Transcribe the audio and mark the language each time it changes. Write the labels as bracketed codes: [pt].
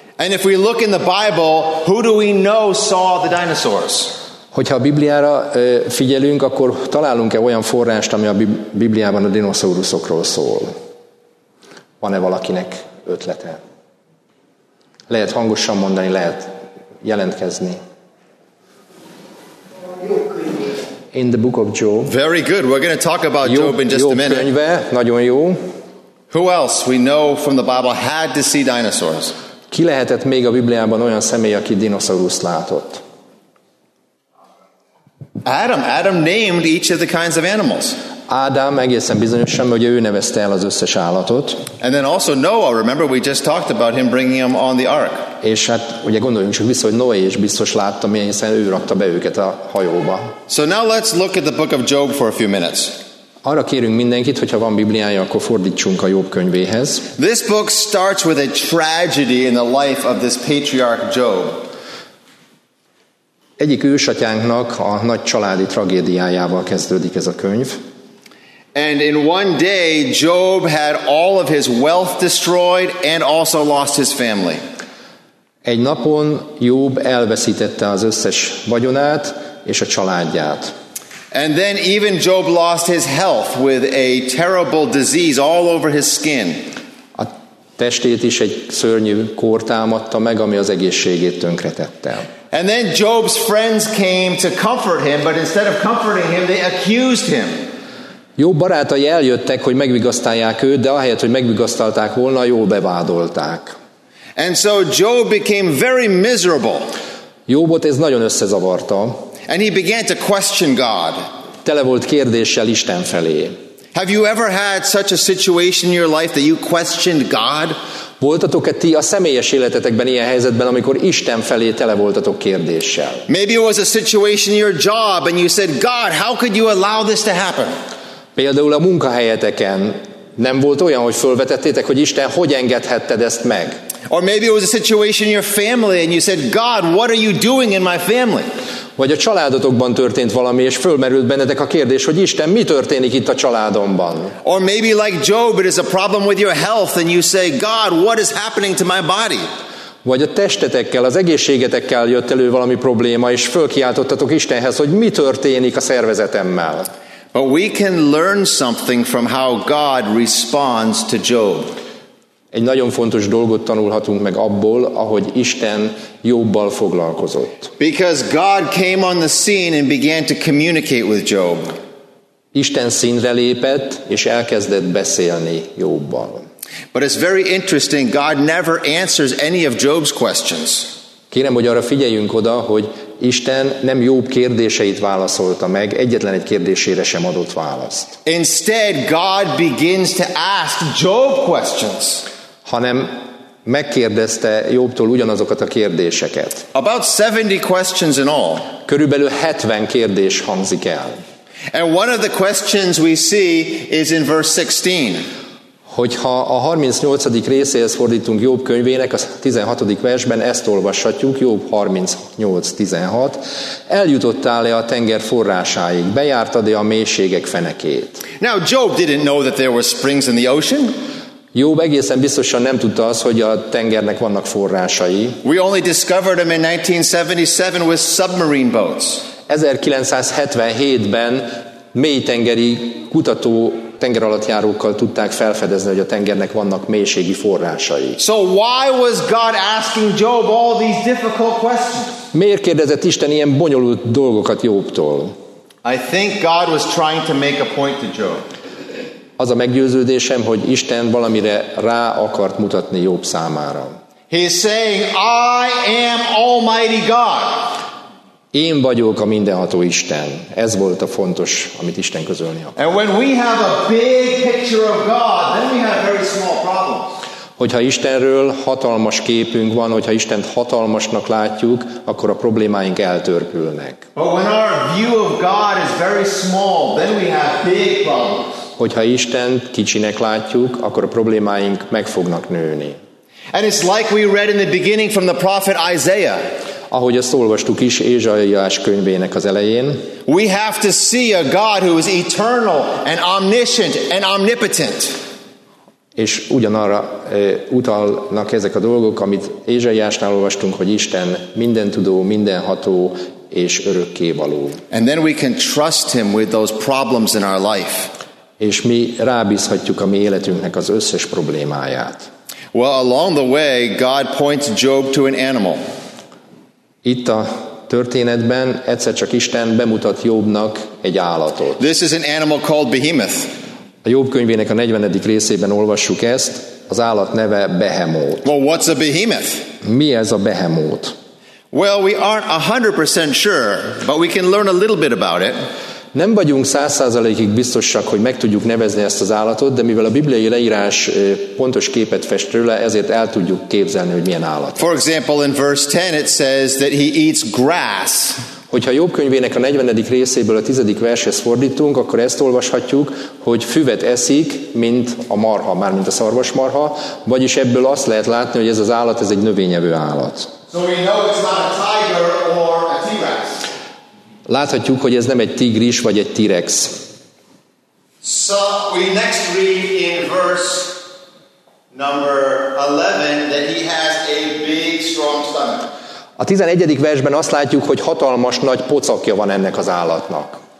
[en] And if we look in the Bible, who do we know saw the dinosaurs? [hu] Hogyha a Bibliára figyelünk, akkor találunk-e olyan forrást, ami a Bibliában a dinoszauruszokról szól? Van-e valakinek ötlete? Lehet hangosan mondani, lehet jelentkezni. [en] In the book of Job. Very good. We're going to talk about Job in just a minute. [hu] Jó könyve, nagyon jó. [en] Who else we know from the Bible had to see dinosaurs? [hu] Ki lehetett még a Bibliában olyan személy, aki dinoszauruszt látott? [en] Adam named each of the kinds of animals. [hu] Ádám egészen bizonyosan, hogy ő nevezte el az összes állatot. [en] And then also Noah, remember we just talked about him bringing him on the ark. [hu] És hát ugye gondoljunk csak vissza, hogy Noé is biztos látta, hiszen ő rakta be őket a hajóba. [en] So now let's look at the book of Job for a few minutes. [hu] Arra kérünk mindenkit, hogyha van Bibliája, akkor fordítsunk a Jób könyvéhez. [en] This book starts with a tragedy in the life of this patriarch Job. [hu] Egyik ősatyánknak a nagy családi tragédiájával kezdődik ez a könyv. [en] And in one day, Job had all of his wealth destroyed and also lost his family. [hu] Egy napon Job elveszítette az összes vagyonát és a családját. [en] And then even Job lost his health with a terrible disease all over his skin. [hu] A testét is egy szörnyű kór támadta meg, ami az egészségét tönkretette. [en] And then Job's friends came to comfort him, but instead of comforting him, they accused him. [hu] Job barátai eljöttek, hogy megvigasztalják őt, de ahelyett, hogy megvigasztalták volna, Jobot bevádolták. [en] And so Job became very miserable. [hu] Jobot ez nagyon összezavarta. [en] And he began to question God. [hu] Tele volt kérdéssel Isten felé. [en] Have you ever had such a situation in your life that you questioned God? [hu] Voltatok-e ti a személyes életetekben ilyen helyzetben, amikor Isten felé tele voltatok kérdéssel? [en] Maybe it was a situation in your job and you said, God, how could you allow this to happen? [hu] Például a munkahelyeteken nem volt olyan, hogy fölvetettétek, hogy Isten, hogy engedhetted ezt meg? [en] Or maybe it was a situation in your family and you said, God, what are you doing in my family? [hu] Vagy a családotokban történt valami, és fölmerült bennetek a kérdés, hogy Isten, mi történik itt a családomban? [en] Or maybe like Job, it is a problem with your health and you say, God, what is happening to my body? [hu] Vagy a testetekkel, az egészségetekkel jött elő valami probléma, és fölkiáltottatok Istenhez, hogy mi történik a szervezetemmel? [en] But we can learn something from how God responds to Job. [hu] Egy nagyon fontos dolgot tanulhatunk meg abból, ahogy Isten Jobbal foglalkozott. [en] Because God came on the scene and began to communicate with Job. [hu] Isten színre lépett és elkezdett beszélni Jobbal. [en] But it's very interesting, God never answers any of Job's questions. [hu] Kérem, hogy arra figyeljünk oda, hogy Isten nem Jób kérdéseit válaszolta meg, egyetlen egy kérdésére sem adott választ. [en] Instead, God begins to ask Job questions. [hu] Hanem megkérdezte Jobtól ugyanazokat a kérdéseket. [en] About 70 questions in all. [hu] Körülbelül 70 kérdés hangzik el. [en] And one of the questions we see is in verse 16. [hu] Hogyha a 38. részéhez fordítunk Jób könyvének, a 16. versben ezt olvashatjuk, Jób 38:16. Eljutottál-e a tenger forrásáig? Bejártad-e a mélységek fenekét? [en] Now Job didn't know that there were springs in the ocean. [hu] Jób egészen biztosan nem tudta azt, hogy a tengernek vannak forrásai. [en] We only discovered them in 1977 with submarine boats. [hu] 1977-ben mélytengeri kutató tengeralattjárókkal tudták felfedezni, hogy a tengernek vannak mélységi forrásai. [en] So why was God asking Job all these difficult questions? [hu] Miért kérdezett Isten ilyen bonyolult dolgokat Jobtól? [en] I think God was trying to make a point to Job. [hu] Az a meggyőződésem, hogy Isten valamire rá akart mutatni Job számára. [en] He is saying, I am Almighty God. [hu] Én vagyok a mindenható Isten. Ez volt a fontos, amit Isten közölni akar. [en] And when we have a big picture of God, then we have very small problems. [hu] Hogyha Istenről hatalmas képünk van, hogyha Istent hatalmasnak látjuk, akkor a problémáink eltörpülnek. [en] But when our view of God is very small, then we have big problems. [hu] Hogyha Istent kicsinek látjuk, akkor a problémáink meg fognak nőni. [en] And it's like we read in the beginning from the prophet Isaiah. [hu] Ahogy azt olvastuk is Ézsaiás könyvének az elején. [en] We have to see a God who is eternal and omniscient and omnipotent. [hu] És ugyanarra utalnak ezek a dolgok, amit Ézsaiásnál olvastunk, hogy Isten mindentudó, mindenható és örökkévaló. [en] And then we can trust him with those problems in our life. [hu] És mi rábízhatjuk a mi életünknek az összes problémáját. [en] Well, along the way, God points Job to an animal. [hu] Itt a történetben egyszer csak Isten bemutat Jobnak egy állatot. [en] This is an animal called Behemoth. [hu] A Jób könyvének a 40. részében olvassuk ezt. Az állat neve Behemoth. [en] Well, what's a Behemoth? [hu] Mi ez a Behemoth? [en] Well, we aren't 100% sure, but we can learn a little bit about it. [hu] Nem vagyunk 100%-ig biztosak, hogy meg tudjuk nevezni ezt az állatot, de mivel a bibliai leírás pontos képet fest róla, ezért el tudjuk képzelni, hogy milyen állat. [en] For example, in verse 10 it says that he eats grass. [hu] Hogyha Jobb könyvének a 40. részéből a 10. vershez fordítunk, akkor ezt olvashatjuk, hogy füvet eszik, mint a marha, már mint a szarvasmarha, vagyis ebből azt lehet látni, hogy ez az állat, ez egy növényevő állat. [en] So we know it's not a tiger or a T-rex. [hu] Láthatjuk, hogy ez nem egy tigris vagy egy T-rex. [en] So we next read in verse number 11 that he has a big strong stomach. [hu] A 11. versben azt látjuk, hogy hatalmas nagy pocakja van ennek az állatnak.